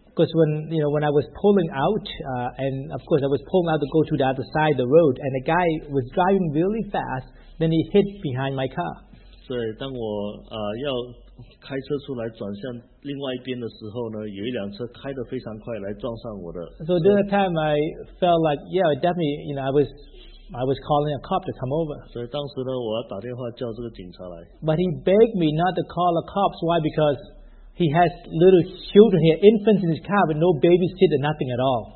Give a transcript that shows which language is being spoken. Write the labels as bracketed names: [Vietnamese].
[English] Because when I was pulling out, and of course I was pulling out to go to the other side of the road, and a guy was driving really fast, then he hit behind my car. [Chinese] 对，当我要 开车出来转向另外一边的时候呢，有一辆车开得非常快来撞上我的。So [English] during that time, I felt like, yeah, definitely, you know, I was calling a cop to come over. [Chinese] 所以当时呢，我要打电话叫这个警察来。But [English] he begged me not to call the cops. Why? Because he has little children, he had infants in his car, but no babysit or nothing at all.